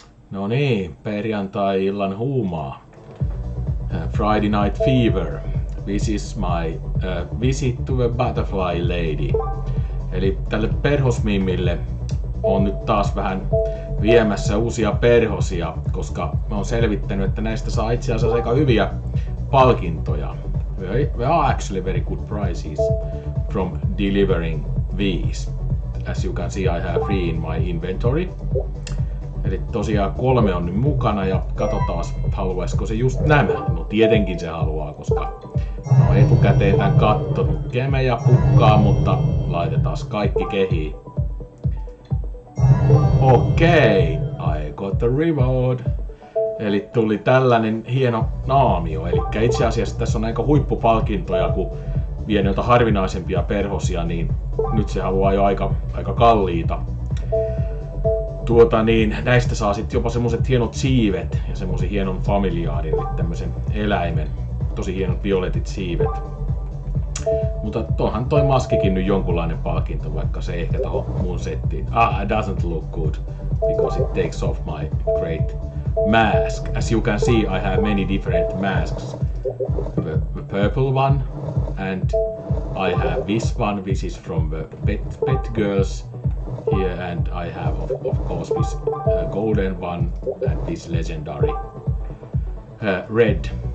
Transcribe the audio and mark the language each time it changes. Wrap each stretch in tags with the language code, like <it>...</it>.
<fi>No niin, perjantai-illan huumaa.</fi> <en>Friday Night Fever. This is my visit to a butterfly lady.</en> <fi>Eli tälle perhosmiimille on nyt taas vähän viemässä uusia perhosia, koska mä oon selvittänyt, että näistä saa itse asiassa aika hyviä palkintoja.</fi> <en>We are actually very good prizes from delivering these. As you can see, I have three in my inventory.</en> <fi>Eli tosiaan kolme on nyt mukana ja katsotaan, haluaisiko se just nämä. No tietenkin se haluaa, koska mä oon etukäteen tän kattonut kemejä pukkaa, mutta laitetaan kaikki kehiin.</fi> <en>Okei, okay, I got the reward.</en> <fi>Eli tuli tällainen hieno naamio. Eli itse asiassa tässä on aika huippupalkintoja, kun vie noita harvinaisempia perhosia, niin nyt se haluaa jo aika kalliita. Niin näistä saa sitten jopa semmoset hienot siivet ja semmoisen hienon familiaarin, eli tämmösen eläimen. Tosi hienot violetit siivet. Mutta tuohan toi maskikin nyt jonkunlainen palkinto, vaikka se ehkä tohon mun settiin.</fi> <en>It doesn't look good, because it takes off my great mask. As you can see, I have many different masks. The purple one, and I have this one, this is from the pet girls. Here, and I have of course this golden one and this legendary red.</en>